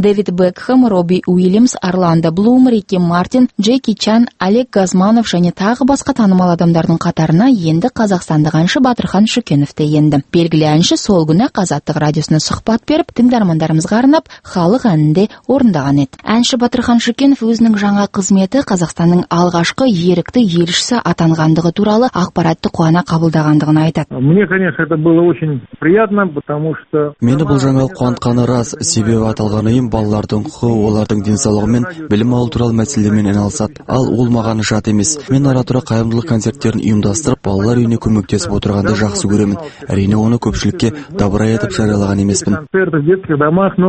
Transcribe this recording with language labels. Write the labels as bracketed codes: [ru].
[kk] Дэвид Бекхэм, Робби Уильямс, Орландо Блум, Рикки Мартин, Джеки Чан, Олег Газманов және тағы басқа танымал адамдардың қатарына енді қазақстандық әнші Батырхан Шүкенов те енді. Белгілі әнші сол күні Қазақтық радиосына сұхбат беріп, тыңдармандарымызға арнап халық әнін де орындаған еді. Әнші Батырхан Шүкенов өзінің жаңа қызметі Қазақстанның алғашқы ерікті елшісі атанғандығы туралы ақпаратты қуана қабылдағандығын айтады. [ru] Мне, конечно, это было очень приятно, потому что [kk] мені бұл жаңалық қуантқаны рас, себебі аталған ұйым балалардың құқы, олардың денсаулығы мен білім алу туралы мәселелермен айналысады. Ал ол маған жат емес. Мен ара-тұра қайырымдылық концерттерін ұйымдастырып, балалар үйіне көмектесіп отырғанды жақсы көремін. Әрине, оны көпшілікке дабыра етіп жариялаған емеспін.